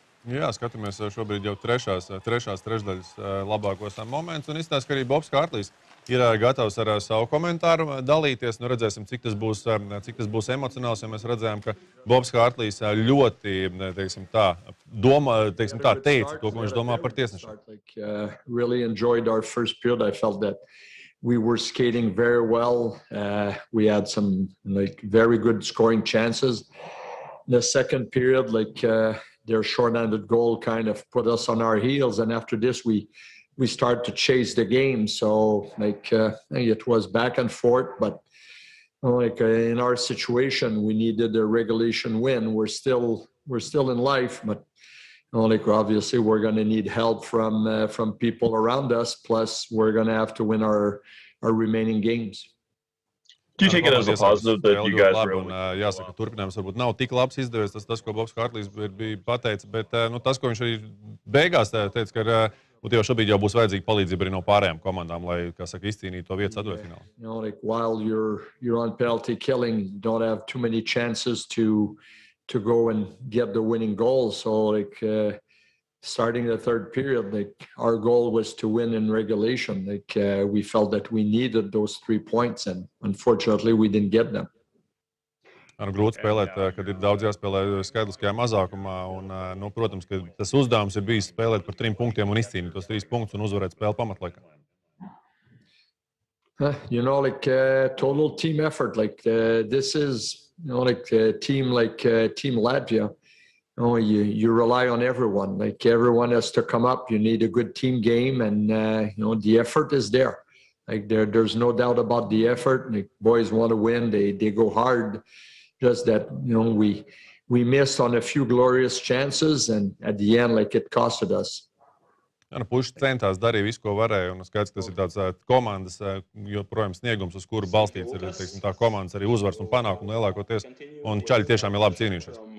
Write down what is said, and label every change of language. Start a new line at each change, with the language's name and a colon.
Latvian: Jā, skatāmies šobrīd jau trešās trešdaļas labākos moments, un izstāsta, ka arī Bobs Kārtlīs ir gatavs ar savu komentāru dalīties. Nu, redzēsim, cik tas būs emocionāls, ja mēs redzējām, ka Bobs Kārtlīs ļoti, teiksim tā, teica to, ko viņš domā par tiesnešanu.
English: Really enjoyed our first period. I felt that we were skating very well. We had some like very good scoring chances. The second period, like their short-handed goal kind of put us on our heels, and after this we start to chase the game. So like it was back and forth, but like in our situation we needed a regulation win. We're still in life, but like obviously we're going to need help from people around us, plus we're going to have to win our remaining games. Do you take it as a positive that you guys really...
Latvian: Un, jāsaka, turpinājums varbūt nav tik labs izdevies, tas, ko Bobs Kārtlīs bija pateicis, bet nu, tas, ko viņš arī beigās teica, ka jau šobrīd jau būs vajadzīga palīdzība arī no pārējām komandām, lai, kā saka, izcīnītu to vietu ceturtajā finālā.
English: You know, like, while you're on penalty killing, don't have too many chances to go and get the winning goal. So, like, starting the third period, like, our goal was to win in regulation. Like, we felt that we needed those three points, and unfortunately, we didn't get them.
Latvian: Nu, grūti spēlēt, kad ir daudz jāspēlē skaitliskajā mazākumā. Un, nu, protams, ka tas uzdevums ir bijis spēlēt par trim punktiem un izcīnīt tos trīs punktus un uzvarēt spēli pamatlaikā.
English: You know, like, total team effort. Like, this is, you know, like, team Latvia. Oh, you rely on everyone. Like everyone has to come up. You need a good team game, and the effort is there. Like there's no doubt about the effort. The boys want to win. They go hard. Just that we missed on a few glorious chances, and at the end, like it costed us.
Latvian: Jā, nu puši centās, darīja visu, ko varēja, un skaidrs, ka tas ir tāds komandas, joprojām sniegums, uz kuru balstīts ir, teiksim, tā komandas arī uzvars un panākums lielākoties, un Čaļi tiešām ir labi cīnījušies.